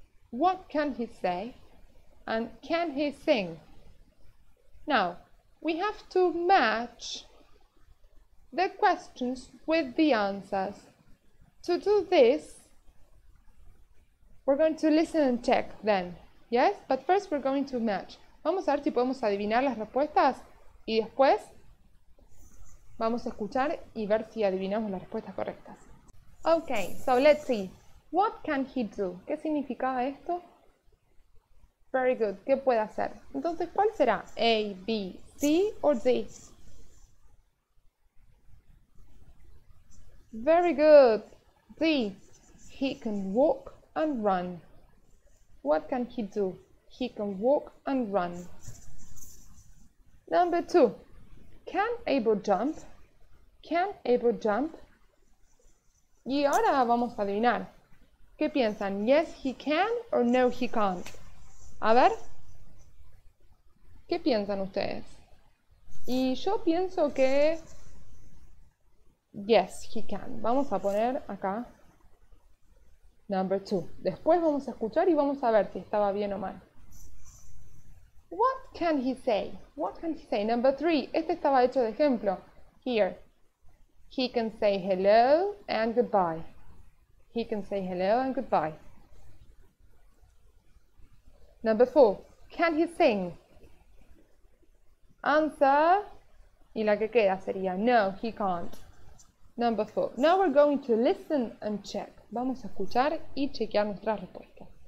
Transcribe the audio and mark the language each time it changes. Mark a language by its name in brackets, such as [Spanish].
[English] What can he say? And can he sing? Now, we have to match the questions with the answers. To do this, we're going to listen and check then. Yes? But first we're going to match. [Spanish] Vamos a ver si podemos adivinar las respuestas y después vamos a escuchar y ver si adivinamos las respuestas correctas. [English] Ok, so let's see. What can he do? [Spanish] ¿Qué significaba esto? [English] Very good. [Spanish] ¿Qué puede hacer? Entonces, ¿cuál será? A, B, C o D? [English] Very good. D. He can walk and run. What can he do? He can walk and run. Number two. Can Abel jump? Can Abel jump? [Spanish] Y ahora vamos a adivinar. ¿Qué piensan? [English] ¿Yes, he can [Spanish] o [English] no, he can't? [Spanish] A ver. ¿Qué piensan ustedes? Y yo pienso que... [English] Yes, he can. [Spanish] Vamos a poner acá... [English] Number two. [Spanish] Después vamos a escuchar y vamos a ver si estaba bien o mal. [English] What can he say? What can he say? Number three. [Spanish] Este estaba hecho de ejemplo. [English] Here. He can say hello and goodbye. He can say hello and goodbye. Number four. Can he sing? Answer. [Spanish] Y la que queda sería [English] no, he can't. Number four. Now we're going to listen and check. [Spanish] Vamos a escuchar y chequear nuestra respuesta.